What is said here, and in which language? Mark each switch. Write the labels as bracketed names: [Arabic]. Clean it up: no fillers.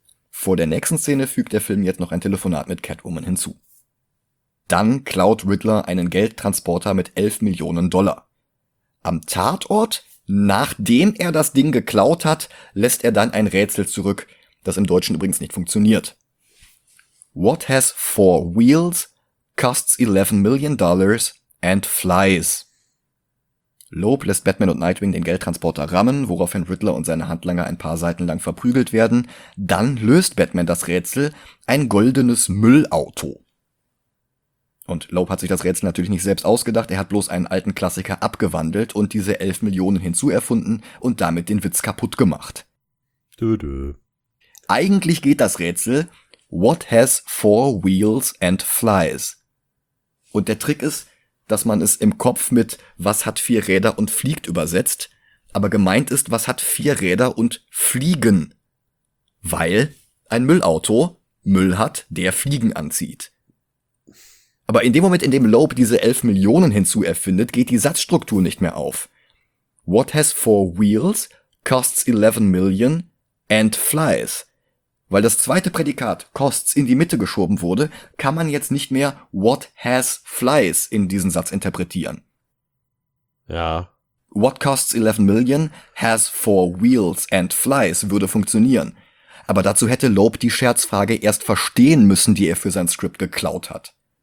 [German] Vor der nächsten Szene fügt der Film jetzt noch ein Telefonat mit Catwoman hinzu. Dann klaut Riddler einen Geldtransporter mit 11 Millionen Dollar. Am Tatort, nachdem er das Ding geklaut hat, lässt er dann ein Rätsel zurück, das im Deutschen übrigens nicht funktioniert. [English] What has four wheels, costs 11 million dollars and flies? [German] Loeb lässt Batman und Nightwing den Geldtransporter rammen, woraufhin Riddler und seine Handlanger ein paar Seiten lang verprügelt werden. Dann löst Batman das Rätsel, ein goldenes Müllauto. Und Loeb hat sich das Rätsel natürlich nicht selbst ausgedacht, er hat bloß einen alten Klassiker abgewandelt und diese 11 Millionen hinzuerfunden und damit den Witz kaputt gemacht. Dö. Eigentlich geht das Rätsel, [English] what has four wheels and flies? [German] Und der Trick ist, dass man es im Kopf mit was hat vier Räder und fliegt übersetzt, aber gemeint ist, was hat vier Räder und fliegen? Weil ein Müllauto Müll hat, der Fliegen anzieht. Aber in dem Moment, in dem Loeb diese 11 Millionen hinzuerfindet, geht die Satzstruktur nicht mehr auf. [English] What has four wheels, costs 11 million and flies. [German] Weil das zweite Prädikat costs in die Mitte geschoben wurde, kann man jetzt nicht mehr [English] what has flies [German] in diesen Satz interpretieren. Ja. [English] What costs 11 million has four wheels and flies [German] würde funktionieren. Aber dazu hätte Loeb die Scherzfrage erst verstehen müssen, die er für sein Skript geklaut hat.